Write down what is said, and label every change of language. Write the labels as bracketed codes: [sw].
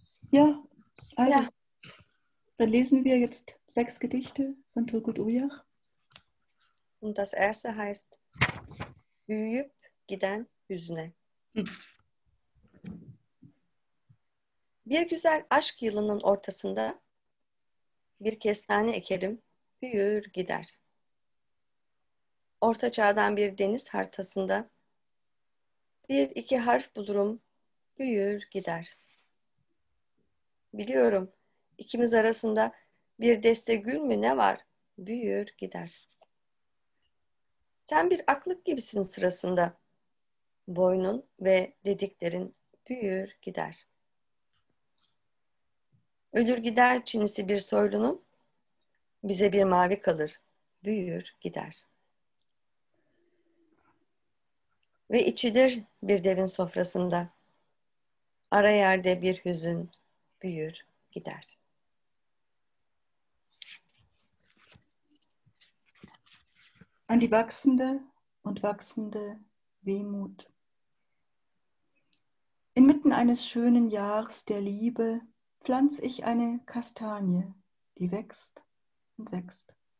[de] Ja. Also, ja, dann lesen wir jetzt 6 Gedichte von Turgut Uyar. Und das erste heißt Büyüp giden hüzne. [tr] Bir güzel aşk yılının ortasında bir kestane ekerim, büyür gider. Orta çağdan bir deniz haritasında bir iki harf bulurum, büyür gider. Biliyorum, ikimiz arasında bir deste gül mü ne var, büyür gider. Sen bir aklık gibisin sırasında, boynun ve dediklerin büyür gider. Ölür gider çinisi bir soylunun, bize bir mavi kalır, büyür gider. Ve içidir bir devin sofrasında, ara yerde bir hüzün, büyür gider. [de] An die wachsende und wachsende Wehmut. Inmitten eines schönen Jahres der Liebe pflanze ich eine Kastanie, die wächst und wächst.